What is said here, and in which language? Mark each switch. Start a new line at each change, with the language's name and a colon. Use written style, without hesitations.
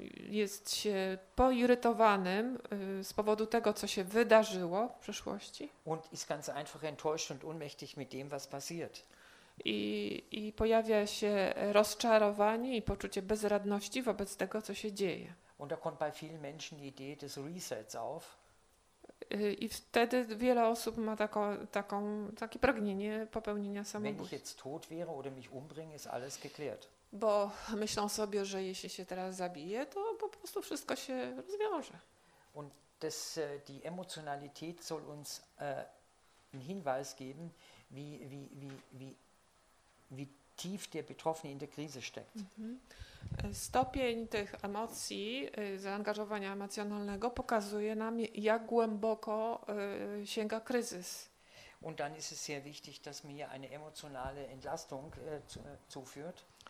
Polish: Jest się poirytowanym z powodu tego, co się wydarzyło w przeszłości.
German: Und ist ganz einfach enttäuscht und ohnmächtig mit dem, was passiert.
Polish: I pojawia się rozczarowanie i poczucie bezradności wobec tego, co się dzieje.
German: Und da kommt bei vielen Menschen die Idee des Resets auf.
Polish: I wtedy wiele osób ma takie pragnienie popełnienia samobójstwa.
German: Wenn ich jetzt tot wäre oder mich umbringe, ist alles geklärt.
Polish: Bo myślą sobie, że jeśli się teraz zabije, to po prostu wszystko się rozwiąże.
German: Und das, die Emotionalität soll uns einen Hinweis geben, wie tief der Betroffene in der Krise steckt.
Polish: Stopień tych emocji, zaangażowania emocjonalnego pokazuje nam, jak głęboko sięga kryzys.
German: Und dann ist es sehr wichtig, dass man hier eine emotionale Entlastung zuführt.